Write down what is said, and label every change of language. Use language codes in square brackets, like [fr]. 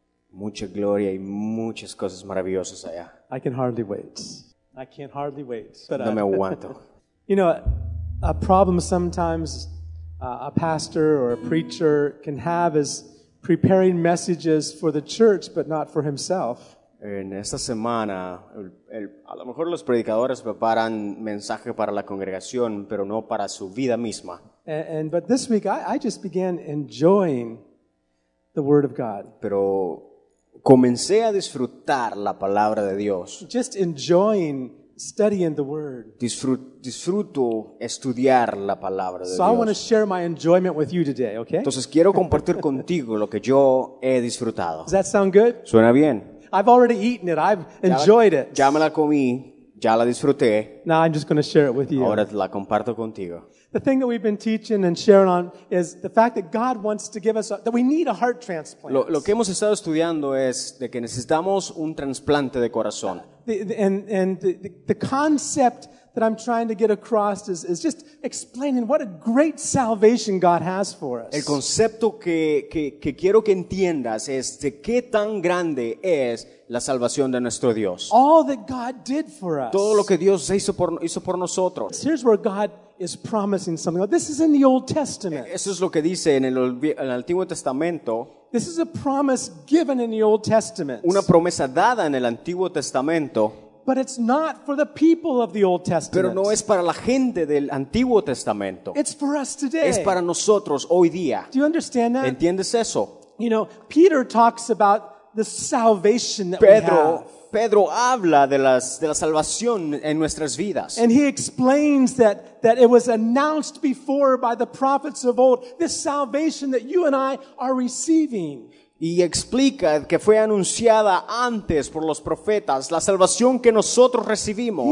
[es] Mucha gloria y muchas cosas maravillosas allá. [en] I can hardly wait. I can't hardly wait. But [es] no me aguanto. [en] You know, a problem sometimes a pastor or a preacher can have is preparing messages for the church, but not for himself. [es] En esta semana, a lo mejor los predicadores preparan mensaje para la congregación, pero no para su vida misma. [en] But this week, I just began enjoying the Word of God. [es] Pero comencé a disfrutar la palabra de Dios. [en] Just enjoying studying the Word. [es] Disfruto estudiar la palabra de Dios. [en] So I want to share my enjoyment with you today, okay? [es] Entonces quiero compartir contigo lo que yo he disfrutado. [en] Does that sound good? [es] Suena bien. [en] I've already eaten it. I've enjoyed it. [es] Ya me la comí, ya la disfruté. [en] Now I'm just going to share it with you. [es] Ahora la comparto contigo. [en] The thing that we've been teaching and sharing on is the fact that God wants to give us that we need a heart transplant. [es] Lo que hemos estado estudiando es de que necesitamos un trasplante de corazón. [en] The concept that I'm trying to get across is just explaining what a great salvation God has for us. [es] El concepto que quiero que entiendas es de qué tan grande es la salvación de nuestro Dios. [en] All that God did for us. [es] Todo lo que Dios hizo por nosotros. [en] Here's where God is promising something. This is in the Old Testament. [es] Eso es lo que dice en el Antiguo Testamento. [en] This is a promise given in the Old Testament. [es] Una promesa dada en el Antiguo Testamento. [en] But it's not for the people of the Old Testament. [es] Pero no es para la gente del Antiguo Testamento. [en] It's for us today. [es] Es para nosotros hoy día. [en] Do you understand that? [es] ¿Entiendes eso? [en] You know, Peter talks about the salvation that we have. [es] Pedro habla de la salvación en nuestras vidas. [en] And he explains that it was announced before by the prophets of old, this salvation that you and I are receiving. [es] Y explica que fue anunciada antes por los profetas la salvación que nosotros recibimos.